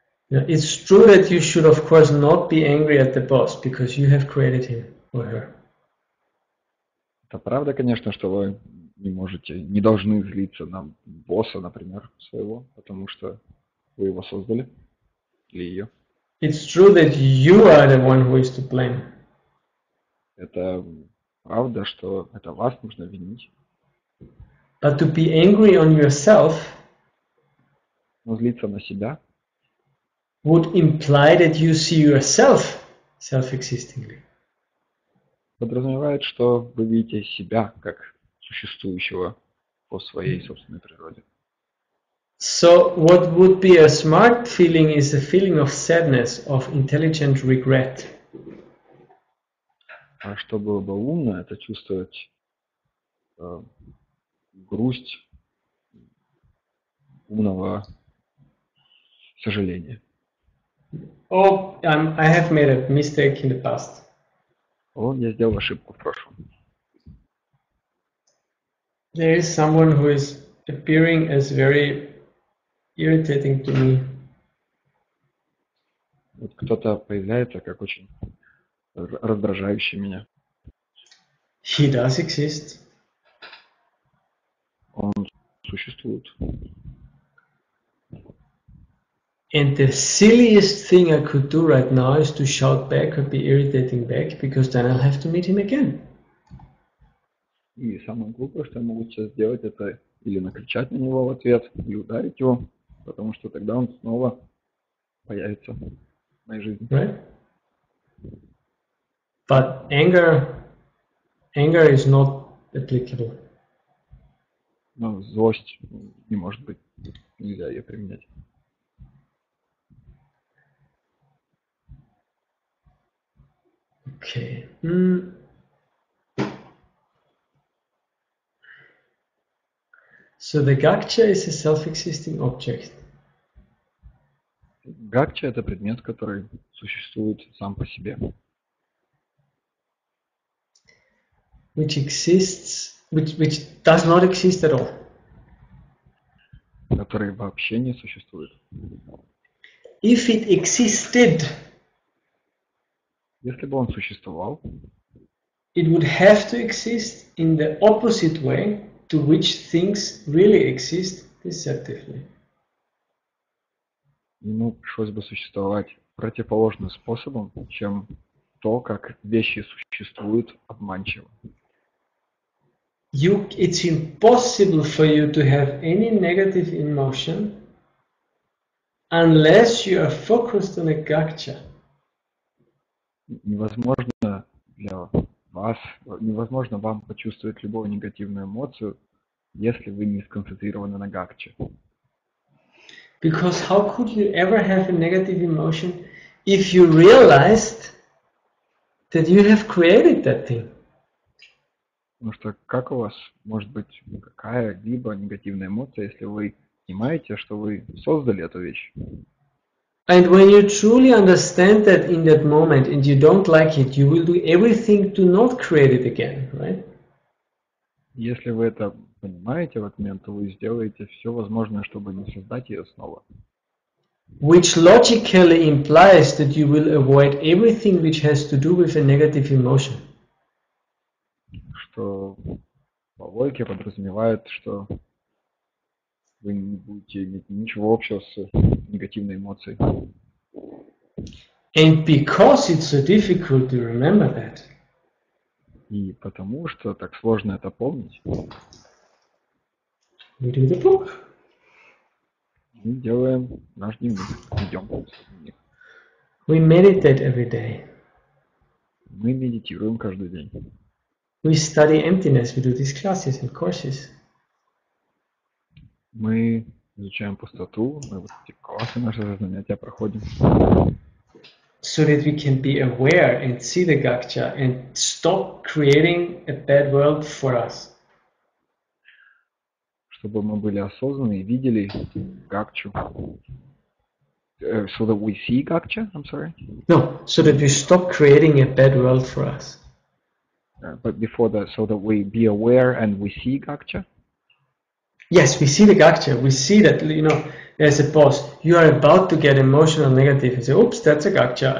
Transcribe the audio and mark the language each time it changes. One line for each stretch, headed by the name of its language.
English: It's true that you should, of course, not be angry at the boss because you have created him or her.
Russian: Это правда, конечно, что вы не можете, не должны злиться на босса, например, своего, потому что вы его создали или ее.
English: It's true that you are the one who is to blame.
Russian: Это правда, что это вас нужно винить.
English: But to be angry on yourself.
Russian: Но злиться на себя.
English: Would imply that you see yourself self-existingly.
Russian: Подразумевает, что вы видите себя как существующего по своей собственной природе.
English: So what would be a smart feeling is a feeling of sadness, of intelligent regret.
Russian: А что было бы умно, это чувствовать грусть умного сожаления.
English: I have made a mistake in the past.
Russian: О, я сделал ошибку в прошлом.
English: There is someone who is appearing as very irritating to me.
Russian: Вот кто-то появляется как очень раздражающий меня.
English: He does exist.
Russian: Он существует.
English: And the silliest thing I could do right now is to shout back or be irritating back, because then I'll have to meet him again.
Russian: И самое глупое, что я могу сейчас сделать, это или накричать на него в ответ, или ударить его, потому что тогда он снова появится в моей жизни.
English: Right? But anger is not applicable.
Russian: Но злость не может быть, нельзя ее применять.
English: Okay. So the gakcha is a self-existing object.
Russian: Гакча — это предмет, который существует сам по себе.
English: Which exists, which does not exist at all.
Russian: Который вообще не существует.
English: If it existed.
Russian: Если бы он существовал,
English: it would have to exist in the opposite way to which things really exist deceptively.
Russian: Ему пришлось бы существовать противоположным способом, чем то, как вещи существуют обманчиво.
English: It's impossible for you to have any negative emotion unless you are focused on a gakcha.
Russian: Невозможно для вас, невозможно вам почувствовать любую негативную эмоцию, если вы не сконцентрированы на гакче.
English: Because how could you ever have a negative emotion if you realized that you have created that thing?
Russian: Потому что как у вас может быть какая-либо негативная эмоция, если вы понимаете, что вы создали эту вещь?
English: And when you truly understand that in that moment and you don't like it, you will do everything to not create it again, right?
Russian: Если вы это понимаете в этот момент, то вы сделаете все возможное, чтобы не создать ее снова.
English: Which logically implies that you will avoid everything which has to do with a negative emotion.
Russian: Что по логике подразумевает, что вы не будете иметь ничего общего с негативной эмоцией.
English: And because it's so difficult to remember that.
Russian: И потому что так сложно это помнить.
English: We do the book.
Russian: Мы делаем наш дневник. Идем.
English: We meditate every day.
Russian: Мы медитируем каждый день.
English: We study emptiness. We do these classes and courses.
Russian: Мы изучаем пустоту. Мы вот эти классы наши занятия проходим.
English: So that we can be aware and see the gakcha and stop creating a bad world for us.
Russian: Чтобы мы были осознанны и видели гакчу.
English: So that we see gakcha, I'm sorry. No, so that we stop creating a bad world for us. But before that, so that we be aware and we see gakcha. Yes, we see the gakcha. We see that, you know, there's a pause. You are about to get emotional negative and say, oops, that's a gakcha.